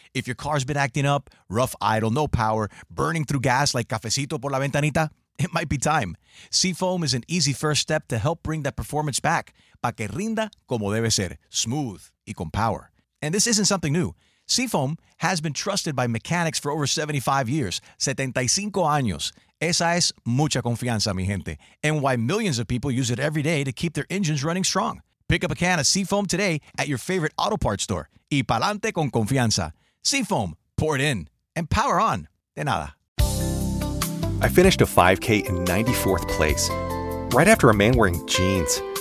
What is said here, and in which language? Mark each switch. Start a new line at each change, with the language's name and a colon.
English: If your car's been acting up, rough idle, no power, burning through gas like
Spanish: cafecito por la ventanita,
English: it might be time. Seafoam is an easy first step to help bring that performance back.
Spanish: Pa que rinda como debe ser, smooth y con power.
English: And this isn't something new. Seafoam has been trusted by mechanics for over 75 years.
Spanish: 75 años. Esa es mucha confianza, mi gente.
English: And why millions of people use it every day to keep their engines running strong. Pick up a can of Seafoam today at your favorite auto parts store.
Spanish: Y pa'lante con confianza. Seafoam.
English: Pour it in. And power on.
Spanish: De nada.
English: I finished a 5K in 94th place. Right after a man wearing jeans.